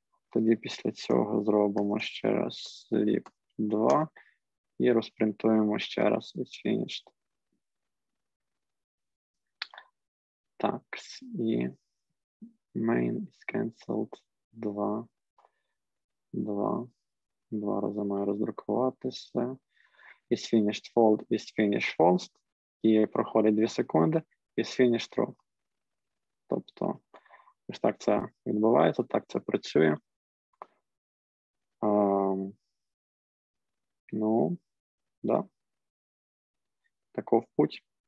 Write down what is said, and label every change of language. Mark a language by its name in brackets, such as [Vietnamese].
[Ukrainian] Тоді після цього зробимо ще раз sleep 2 і розпринтуємо ще раз is finished. Так, і main is cancelled 2. Два рази маю роздрукуватися. Is finished fault, is finished false. І проходить 2 секунди, is finished true. Тобто, ось так це відбувається, так це працює. [Russian] Ну, да. Таков путь.